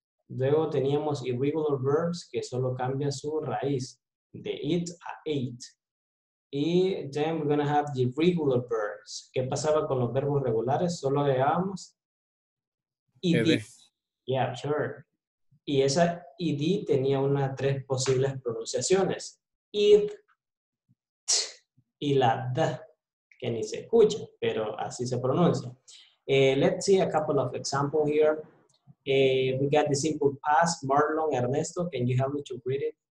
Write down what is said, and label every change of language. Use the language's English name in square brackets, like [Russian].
[Spanish] Luego teníamos [English] irregular verbs [Spanish] que solo cambia su raíz de it a ate. [English] Y then we're gonna have the irregular verbs. [Spanish] ¿Qué pasaba con los verbos regulares? Solo agregábamos ed. [English] Yeah, sure. [Spanish] Y esa ed tenía unas 3 posibles pronunciaciones. It, t, y la d, que ni se escucha, pero así se pronuncia. [English] Let's see a couple of examples here. We got the simple past, Marlon, Ernesto, can you help me to read it?